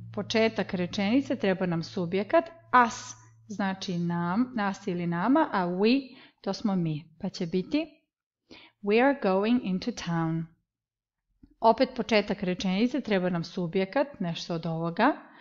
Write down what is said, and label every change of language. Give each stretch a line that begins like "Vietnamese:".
Serbian: Početak rečenice, treba nam subjekat. Us, znači nam, nas ili nama, a we, to smo mi. Pa će biti,
English: we are going into town.
Serbian: Opet početak rečenice, treba nam subjekat, nešto od ovoga.